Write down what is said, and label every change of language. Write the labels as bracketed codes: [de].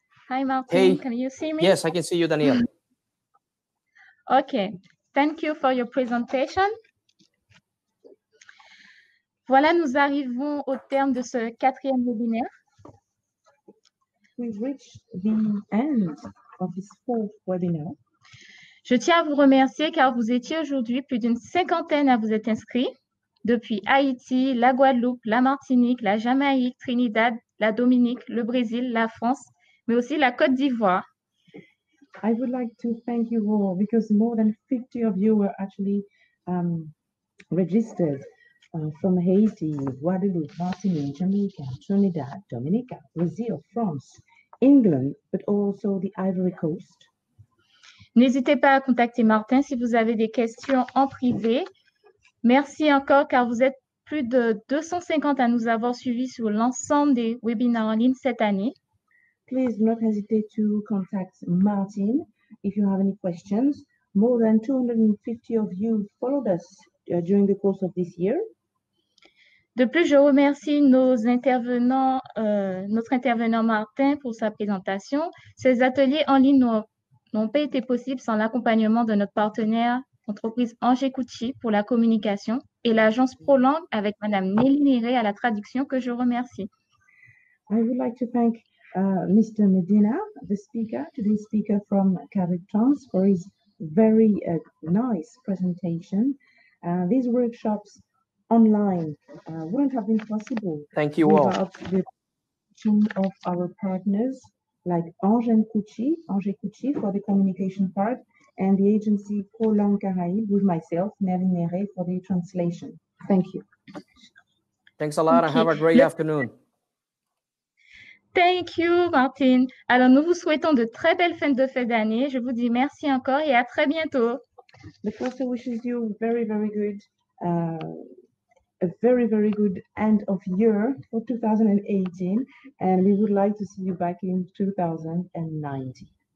[en] Hi Martin, hey. Can you see me? Yes, I can see you, Daniel. Okay, thank you for your presentation. [fr] Voilà, nous arrivons au terme de ce quatrième webinaire. [en] We've reached the end of this fourth webinar. [fr] Je tiens à vous remercier car vous étiez aujourd'hui plus d'une cinquantaine à vous être inscrits depuis Haïti, la Guadeloupe, la Martinique, la Jamaïque, Trinidad, la Dominique, le Brésil, la France, mais aussi la Côte d'Ivoire. [en] I would like to thank you all because more than 50 of you were actually registered from Haiti, Guadeloupe, Martinique, Jamaica, Trinidad, Dominica, Brazil, France, England, but also the Ivory Coast. [fr] N'hésitez pas à contacter Martin si vous avez des questions en privé. Merci encore car vous êtes plus de 250 à nous avoir suivis sur l'ensemble des webinaires en ligne cette année. [en] Please do not hesitate to contact Martin if you have any questions. More than 250 of you followed us during the course of this year. [fr] De plus, je remercie nos intervenants, notre intervenant Martin pour sa présentation. Ces ateliers en ligne n'ont pas été possibles sans l'accompagnement de notre partenaire, l'entreprise Angers Cucci pour la communication et l'agence Prolang avec Madame Nelly Niret à la traduction que je remercie. [en] I would like to thank Mr. Medina, the speaker, today's speaker from Carib Trans, for his very nice presentation. These workshops online wouldn't have been possible. Thank you all. Without the team of our partners like Angers Cucci for the communication part, and the agency Prolang Caraïbes with myself, Nelly Niret, for the translation. Thank you. Thanks a lot. Okay. And have a great afternoon. Thank you, Martin. [fr] Alors, nous vous souhaitons de très belles fins de fête d'année. Je vous dis merci encore et à très bientôt. [en] The professor wishes you very, very good, a very, very good end of year for 2018. And we would like to see you back in 2019.